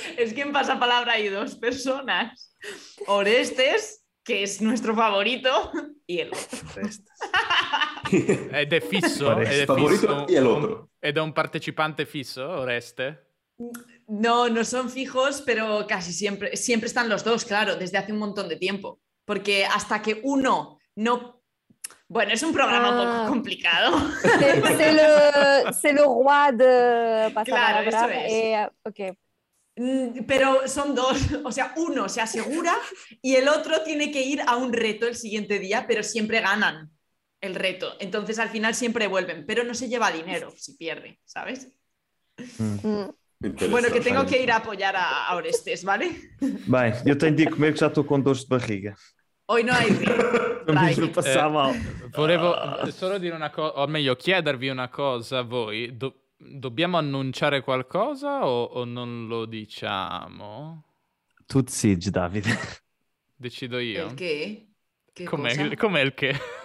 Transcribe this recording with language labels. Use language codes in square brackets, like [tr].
[es] Es que en pasapalabra hay dos personas. Orestes, que es nuestro favorito, y él. Orestes. [it] Ed è fisso, ed è un partecipante fisso, Oreste? [es] No, no son fijos, pero casi siempre están los dos, claro, desde hace un montón de tiempo. Porque hasta que uno no... Bueno, es un programa un poco complicado. [fr] C'est le roi de pasar. [es] Claro, a eso es. Pero son dos, o sea, uno se asegura y el otro tiene que ir a un reto el siguiente día, pero siempre ganan el reto. Entonces al final siempre vuelven, pero no se lleva dinero si pierde, ¿sabes? Mm. Bueno, que tengo que ir a apoyar a Orestes, ¿vale? Bien, yo tengo que comer que ya estoy con dos de barriga. Hoy no hay río. Me lo pasaba mal. [it] Volevo solo dire una cosa, o meglio, chiedervi una cosa a voi. Dobbiamo annunciare qualcosa o non lo diciamo? Tu decidi, Davide. Decido io? Il che? Com'è il che?